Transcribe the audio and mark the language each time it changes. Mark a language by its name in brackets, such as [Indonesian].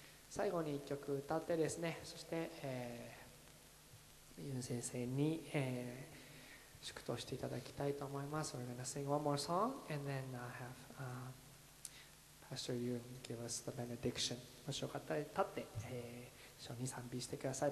[Japanese] 最後に一曲歌ってですね、そして、ユン先生に、祝祷していただきたいと思います。 [English] We're gonna sing one more song and then I have Pastor Yun give us the benediction. [Japanese] もしよかったら立って、主に賛美してください。